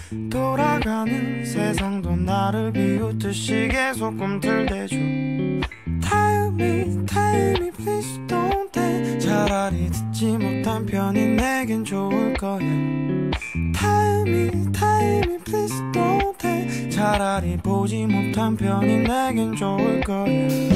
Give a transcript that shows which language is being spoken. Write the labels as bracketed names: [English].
[Korean] 돌아가는 세상도 나를 비웃듯이 계속 꿈틀대죠. [English] Tell me, tell me, please don't tell. [Korean] 차라리 듣지 못한 편이 내겐 좋을 거야. [English] Tell me, please don't tell. [Korean] 차라리 보지 못한 편이 내겐 좋을 거야.